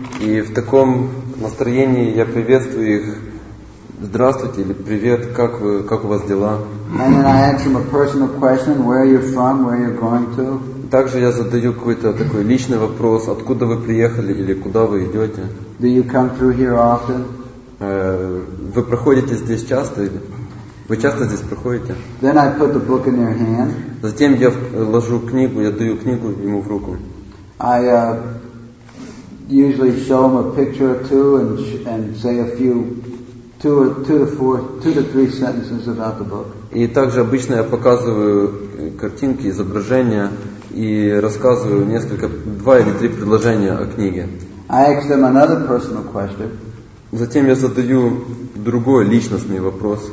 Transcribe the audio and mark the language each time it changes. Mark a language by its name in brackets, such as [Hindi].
[Russian] И в таком настроении я приветствую их. Здравствуйте или привет. Как у вас дела? [English] And then I ask them a personal question: Where are you from? Where are you going to? [Russian] Также я задаю какой-то такой личный вопрос: откуда вы приехали или куда вы идете? [English] Do you come through here often? [Russian] Вы проходите здесь часто? Вы часто здесь проходите? [English] Then I put the book in their hand. [Russian] Затем я вложу книгу, я даю книгу ему в руку. [English] I usually show them a picture or two and say a few two to three sentences about the book. [Russian] И также обычно я показываю картинки, изображения. И рассказываю несколько, два или три предложения о книге. [English] I ask them another personal question. [Russian] Затем я задаю другой личностный вопрос.